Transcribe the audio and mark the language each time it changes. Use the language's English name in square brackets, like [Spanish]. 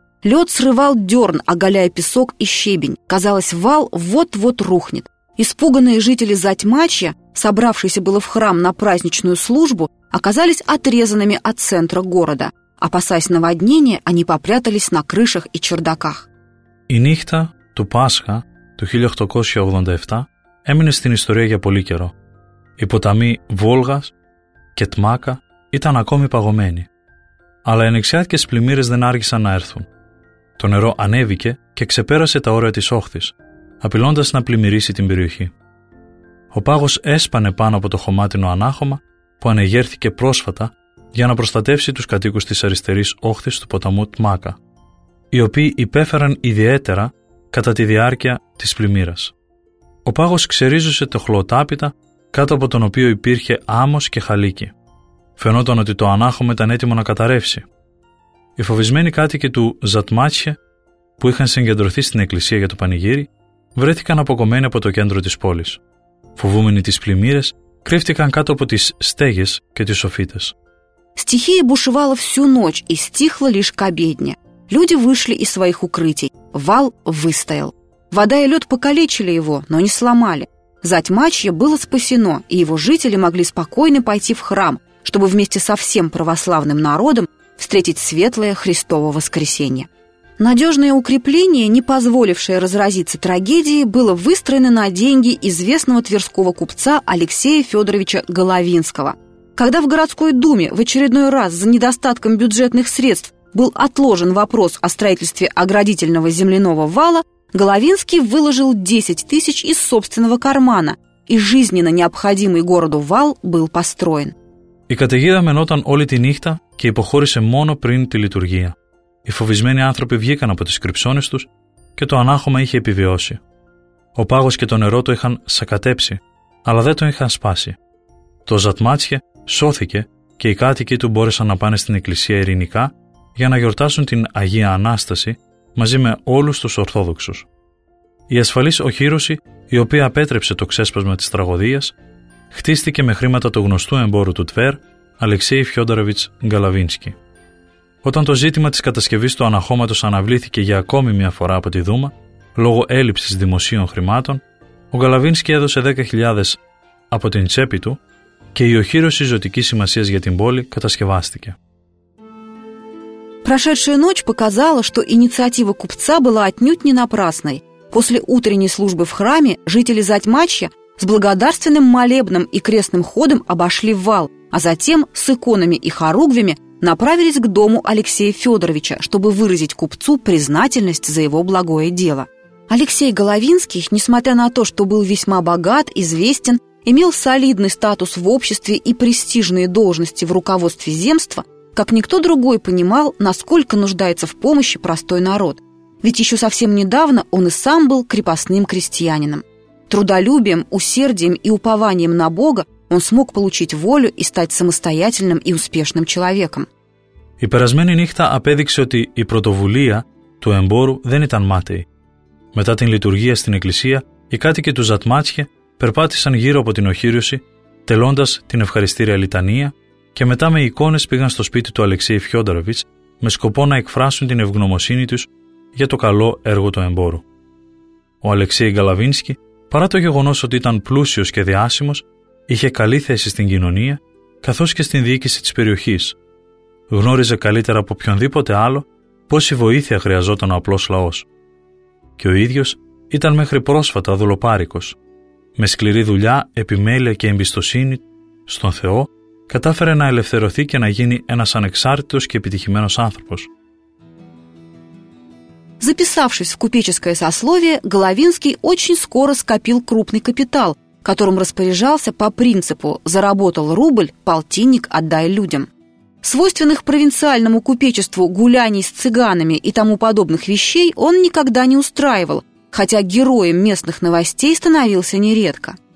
[Russian] Лед срывал дерн, оголяя песок и щебень. Казалось, вал вот-вот рухнет. Испуганные жители Затьмачья, собравшиеся было в храм на праздничную службу, оказались отрезанными от центра города. Опасаясь наводнения, они попрятались на крышах и чердаках. [Greek] И нихта ту Пасха, ту 1887, έμεινε στην ιστορία για πολύ καιρό. Οι ποταμοί Βόλγας και Τμάκα ήταν ακόμη παγωμένοι. Αλλά οι ανεξάρτητες πλημμύρες δεν άργησαν να έρθουν. Το νερό ανέβηκε και ξεπέρασε τα όρια της όχθης, απειλώντας να πλημμυρίσει την περιοχή. Ο πάγος έσπανε πάνω από το χωμάτινο ανάχωμα που ανεγέρθηκε πρόσφατα για να προστατεύσει τους κατοίκους της αριστερής όχθης του ποταμού Τμάκα, οι οποίοι υπέφεραν ιδιαίτερα κατά τη διάρκεια της πλημμύρας. Ο πάγος ξερίζωσε το χλωοτάπητα κάτω από τον οποίο υπήρχε άμμος και χαλίκι. Φαινόταν ότι το ανάχωμα ήταν έτοιμο να καταρρεύσει. Οι φοβισμένοι κάτοικοι του Ζατμάτσια, που είχαν συγκεντρωθεί στην εκκλησία για το πανηγύρι, βρέθηκαν αποκομμένοι από το κέντρο της πόλης. Φοβούμενοι τις πλημμύρες, κρύφτηκαν κάτω από τις στέγες και τις σοφίτες. [Russian] Стихия бушевала всю ночь и стихла лишь к обедне. Люди вышли из своих укрытий. Вал выстоял. Вода и лед покалечили его, но не сломали. Затьмачье было спасено, и его жители могли спокойно пойти в храм, чтобы вместе со всем православным народом встретить светлое Христово воскресенье. Надежное укрепление, не позволившее разразиться трагедии, было выстроено на деньги известного тверского купца Алексея Федоровича Головинского. Когда в городской думе в очередной раз за недостатком бюджетных средств был отложен вопрос о строительстве оградительного земляного вала, Головинский выложил 10 тысяч из собственного кармана, и жизненно необходимый городу вал был построен. [Greek] Η καταιγίδα μενόταν όλη τη νύχτα και υποχώρησε μόνο πριν τη λειτουργία. Οι φοβισμένοι άνθρωποι βγήκαν από τις κρυψώνες τους και το ανάχωμα είχε επιβιώσει. Ο πάγος και το νερό το είχαν σακατέψει, αλλά δεν το είχαν σπάσει. Το Ζατμάτσια σώθηκε και οι κάτοικοι του μπόρεσαν να πάνε στην εκκλησία ειρηνικά για να γιορτάσουν την Αγία Ανάσταση μαζί με όλους τους Ορθόδοξους. Η ασφαλής οχύρωση, η οποία απέτρεψε το ξέσπασμα της τραγωδίας, χτίστηκε με χρήματα του γνωστού εμπόρου του Τβέρ, Αλεξέη Φιόνταροβιτς Γκαλαβίνσκι. Όταν το ζήτημα της κατασκευής του αναχώματος αναβλήθηκε για ακόμη μια φορά από τη Δούμα, λόγω έλλειψης δημοσίων χρημάτων, ο Γκαλαβίνσκι έδωσε 10.000 από την τσέπη του και η οχύρωση ζωτικής σημασίας για την πόλη κατασκευάστηκε. [Russian] Прошедшая ночь показала, что инициатива купца была отнюдь не напрасной. После утренней службы в храме жители Затьмачья с благодарственным молебном и крестным ходом обошли вал, а затем с иконами и хоругвями направились к дому Алексея Федоровича, чтобы выразить купцу признательность за его благое дело. Алексей Головинский, несмотря на то, что был весьма богат, известен, имел солидный статус в обществе и престижные должности в руководстве земства, как никто другой понимал, насколько нуждается в помощи простой народ. Ведь еще совсем недавно он и сам был крепостным крестьянином. Трудолюбием, усердием и упованием на Бога он смог получить волю и стать самостоятельным и успешным человеком. [Greek] Η περασμένη νύχτα απέδειξε ότι η πρωτοβουλία του εμπόρου δεν ήταν μάταιη. Μετά την λειτουργία στην εκκλησία, οι κάτοικοι του Ζατμάτσια περπάτησαν γύρω από την οχύρωση, τελώντας την ευχαριστήρια λιτανία και μετά με εικόνες πήγαν στο σπίτι του Αλεξέη Φιόνταροβιτς με σκοπό να εκφράσουν την ευγνωμοσύνη τους για το καλό έργο του εμπόρου. Ο Αλεξέη Γκαλαβίνσκι, παρά το γεγονός ότι ήταν πλούσιος και διάσημος, είχε καλή θέση στην κοινωνία καθώς και στην διοίκηση της περιοχής. Γνώριζε καλύτερα από οποιονδήποτε άλλο πόση βοήθεια χρειαζόταν ο απλός λαός. Και ο ίδιος ήταν μέχρι πρόσφατα δουλοπάρικος. Με σκληρή δουλειά, επιμέλεια και εμπιστοσύνη στον Θεό, κατάφερε να ελευθερωθεί και να γίνει ένας ανεξάρτητος και επιτυχημένος άνθρωπος. [Russian] Записавшись в купеческое сословие, Головинский очень скоро скопил крупный капитал, которым распоряжался по принципу «заработал рубль, полтинник отдай людям». Свойственных провинциальному купечеству гуляний с цыганами и тому подобных вещей он никогда не устраивал, хотя героем местных новостей становился нередко.